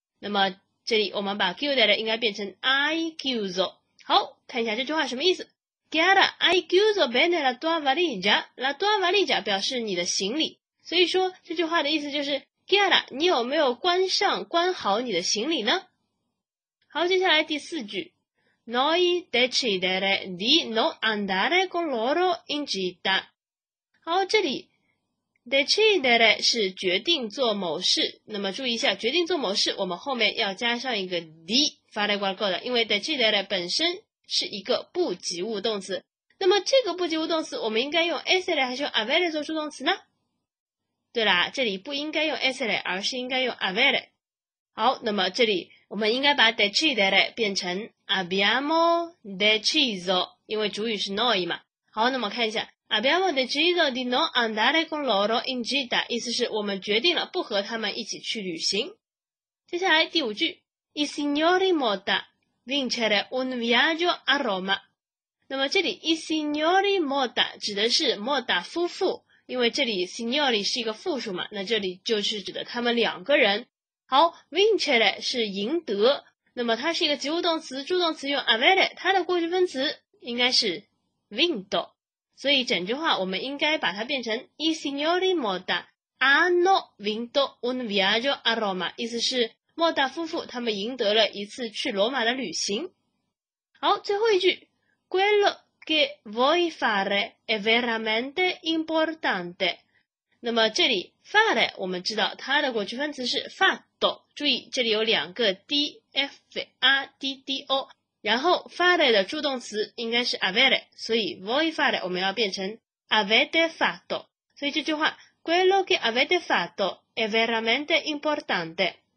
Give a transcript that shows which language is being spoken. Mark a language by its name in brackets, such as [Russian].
[Chinese] 那么这里我们把 chiudere 应该变成 [Italian] I chiuso。 [Chinese] 好，看一下这句话什么意思， [Italian] Chiara I chiuso bene la tua valigia， la tua valigia [Chinese] 表示你的行李，所以说这句话的意思就是 Chiara 你有没有关上关好你的行李呢。好，接下来第四句， [Italian] Noi decidere di non andare con loro in città。 [Chinese] 好，这里decidere 是决定做某事，那么注意一下决定做某事我们后面要加上一个 [Italian] di fare qualcosa， [Chinese] 因为 decidere 本身是一个不及物动词。那么这个不及物动词我们应该用 essere 还是用 avere 做助动词呢？对啦，这里不应该用 essere， 而是应该用 avere。好，那么这里我们应该把 decidere 变成 [Italian] abbiamo deciso， [Chinese] 因为主语是 noi 嘛。好，那么看一下 [Italian] Abbiamo deciso di non andare con loro in gita， [Chinese] 意思是我们决定了不和他们一起去旅行。接下来第五句， [Italian] I signori moda vincere un viaggio a Roma。 [Chinese] 那么这里 [Italian] I signori moda [Chinese] 指的是 moda 夫妇，因为这里 signori 是一个复数嘛，那这里就是指的他们两个人。好， vincere 是赢得，那么它是一个及物动词，助动词用 avere， 它的过去分词应该是 vinto，所以整句话我们应该把它变成 [Italian] I signori moda hanno vinto un viaggio a Roma， [Chinese] 意思是莫达夫妇他们赢得了一次去罗马的旅行。好，最后一句， [Italian] quello che vuoi fare è veramente importante。 [Chinese] 那么这里 fare 我们知道它的过去分词是 fatto， 注意这里有两个 d FRDDO，然后 fare 的助动词应该是 avere， 所以 [Italian] voi fare [Chinese] 我们要变成 [Italian] avete fatto， [Chinese] 所以这句话 [Italian] quello che avete fatto è veramente importante。